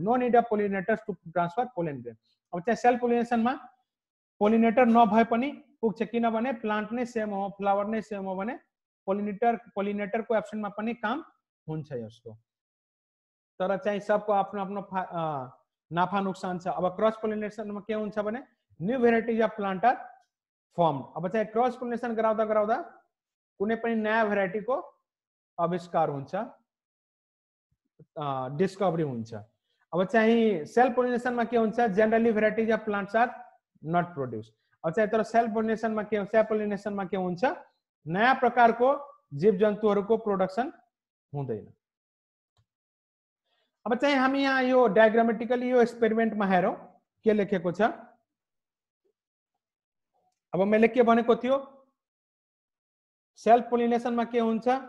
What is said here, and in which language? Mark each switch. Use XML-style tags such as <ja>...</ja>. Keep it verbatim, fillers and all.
<en>No need of pollinators to transfer pollen grain.</en> <ne>अब चाहिँ self पोलिनेसनमा pollinator नभए पनि पुग्छ, किनभने प्लान्ट नै सेम हो, फ्लावर नै सेम हो भने पोलिनेटर पोलिनेटरको एब्सेन्टमा पनि काम हुन्छ यसको। तर चाहिँ सबको आफ्नो आफ्नो नाफा नोक्सान छ। अब क्रस पोलिनेसनमा के हुन्छ भने</ne> <en>New varieties of plant are form.</en> <ne>अब चाहिँ क्रस पोलिनेसन गराउँदा गराउँदा कुनै पनि नयाँ भेराइटीको आविष्कार हुन्छ, डिस्कभरी हुन्छ। अब चाहिँ सेल्फ पोलिनेसनमा के हुन्छ?</ne> <en>Generally varieties of plants are not produce.</en> <ne>अब चाहिँ तर सेल्फ पोलिनेसनमा के सेल्फ पोलिनेसनमा के हुन्छ? नयाँ प्रकारको जीव जन्तुहरूको प्रोडक्सन हुँदैन। अब चाहिँ हामी यहाँ यो डायग्रामेटिकली यो एक्सपेरिमेन्टमा हेरौँ के लेखेको छ। अब मैले के भनेको थियो, सेल्फ पोलिनेसनमा के हुन्छ?</ne>